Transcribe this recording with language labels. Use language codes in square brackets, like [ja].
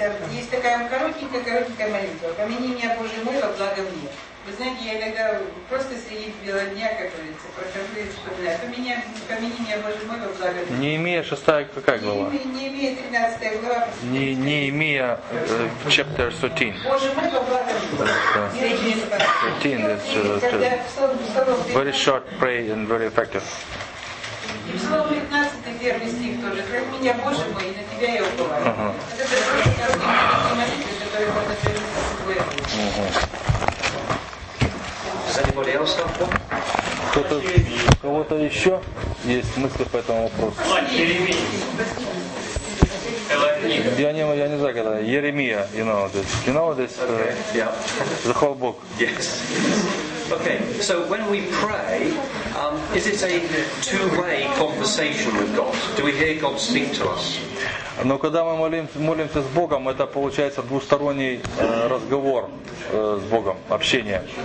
[ru] Есть такая коротенькая молитва. Помяни меня, Боже мой, во благо мне. Вы знаете, я иногда просто среди бела дня, как говорится, прохожу и вспоминаю. Помяни меня, Боже мой, во благо мне. Не Емия, шестая какая глава? Не Емия, 13 глава. Не Емия, [en] chapter 13. [ru] Боже мой, во благо мне. [en] 13 is very short prayer and very effective. [ru] И в Псалом 15 первый стих тоже. Храни меня, Боже мой, и на тебя я уповаю. Кто-то, у кого-то еще есть мысли по этому вопросу? Я не знаю, когда. [en] Еремия, you know this? Okay. Yeah. The whole book. Yes. Okay. So when we pray, is it a two-way conversation with God? Do we hear God speak to us? [ru] Но когда мы молимся с Богом, это получается двусторонний разговор с Богом, общение.